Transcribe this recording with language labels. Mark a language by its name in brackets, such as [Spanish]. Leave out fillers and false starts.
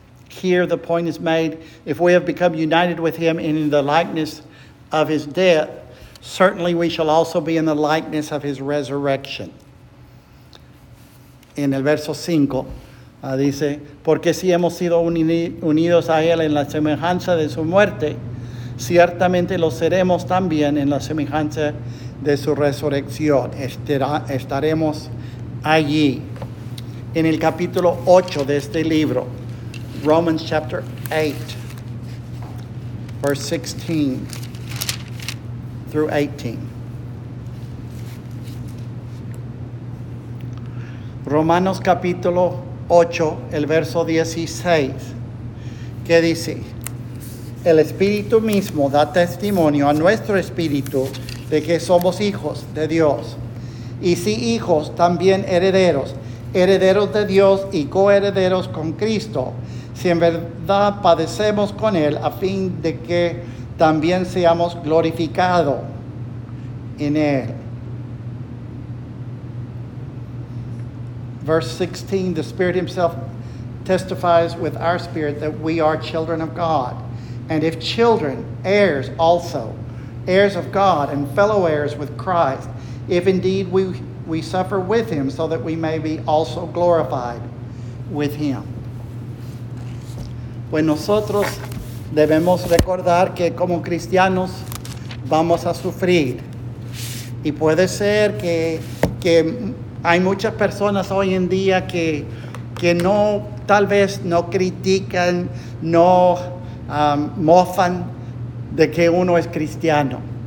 [English] Here the point is made, if we have become united with Him in the likeness of His death, certainly we shall also be in the likeness of His resurrection. [Spanish] En el verso 5 dice, porque si hemos sido unidos a Él en la semejanza de su muerte, ciertamente lo seremos también en la semejanza de su resurrección. Estaremos allí. En el capítulo 8 de este libro, [English] Romans chapter 8, verse 16 through 18. [Spanish] Romanos capítulo 8, el verso 16, que dice, el Espíritu mismo da testimonio a nuestro espíritu de que somos hijos de Dios. Y si hijos, también herederos, herederos de Dios y coherederos con Cristo, si en verdad padecemos con Él, a fin de que también seamos glorificados en Él. [English] Verse 16, the Spirit Himself testifies with our spirit that we are children of God. and if children, heirs also, heirs of God and fellow heirs with Christ, if indeed we suffer with him so that we may be also glorified with him. [Spanish] Pues nosotros debemos recordar que como cristianos vamos a sufrir. Y puede ser que hay muchas personas hoy en día que no, tal vez no critican, no mofan de que uno es cristiano.